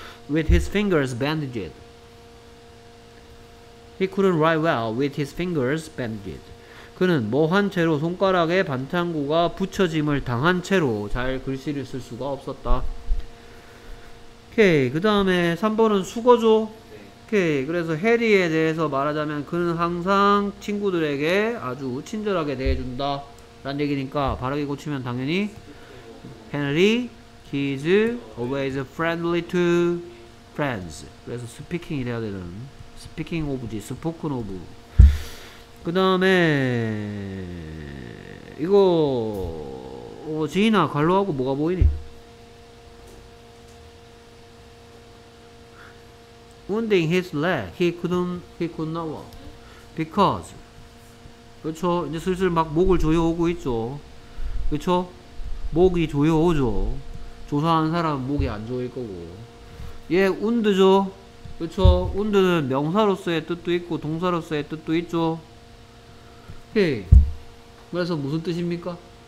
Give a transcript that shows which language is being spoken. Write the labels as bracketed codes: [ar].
[en] with his fingers bandaged he couldn't write well with his fingers bandaged. [ko] 그는 뭐 한 채로 손가락에 반창고가 붙여짐을 당한 채로 잘 글씨를 쓸 수가 없었다. 오케이. 그 다음에 3번은 숙어죠. 오케이. 그래서 해리에 대해서 말하자면 그는 항상 친구들에게 아주 친절하게 대해준다 라는 얘기니까 바르게 고치면 당연히 [en] Henry is always friendly to friends. [ko] 그래서 스피킹이 돼야 되는 speaking of지 spoken of. 그 다음에 이거 지인아 갈로하고 뭐가 보이니? [en] 운딩 his leg he could not walk because [ko] 그쵸? 이제 슬슬 막 목을 조여오고 있죠. 그쵸? 목이 조여오죠. 조사한 사람은 목이 안 조일 거고 얘 운드죠. 그쵸? 운드는 명사로서의 뜻도 있고 동사로서의 뜻도 있죠. 오케이. 그래서 무슨 뜻입니까?